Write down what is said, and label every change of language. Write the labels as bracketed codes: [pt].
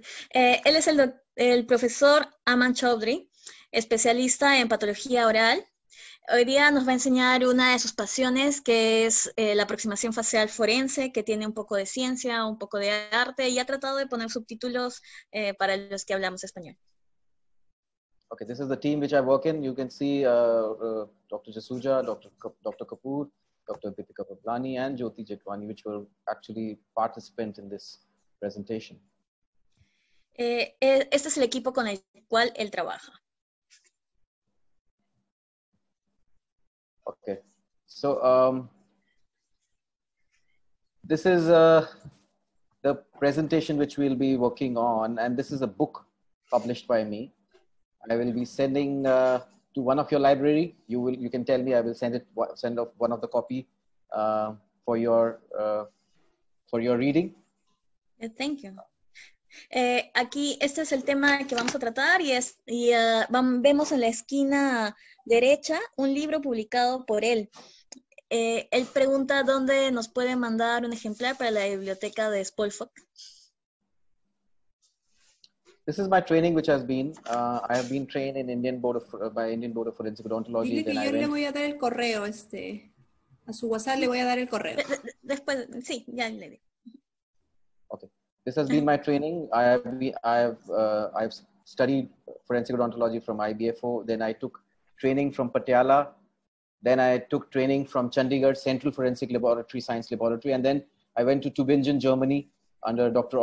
[es] Él es el profesor Aman Chowdhry, especialista en patología oral. Hoy día nos va a enseñar una de sus pasiones, que es la aproximación facial forense, que tiene un poco de ciencia, un poco de arte, y ha tratado de poner subtítulos para los que hablamos español. [en] Okay, this is the team which I work in. You can see Dr. Jasuja, Dr. Kapoor, Dr. Deepika Pablani and Jyoti Jetwani, which were actually participants in this presentation. [es] Este es el equipo con el cual él trabaja. [en] Okay, so this is the presentation which we'll be working on, and this is a book published by me. I will be sending to one of your library. You can tell me. I will send off one of the copy for your reading. Thank you. [es] Este es el tema que vamos a tratar vemos en la esquina derecha un libro publicado por él. Él pregunta dónde nos puede mandar un ejemplar para la biblioteca de SPOLFOC. [en] This is my training, which has been. I have been trained in Indian Board of, by Indian Board of Forensic Odontology. [es] Dile que yo le voy a dar el correo, a su WhatsApp le voy a dar el correo. Después, sí, ya le di. [en] Okay. This has been my training. I have studied forensic odontology from IBFO. Then I took training from Patiala. Then I took training from Chandigarh Central Forensic Laboratory, Science Laboratory. And then I went to Tübingen, Germany under Dr.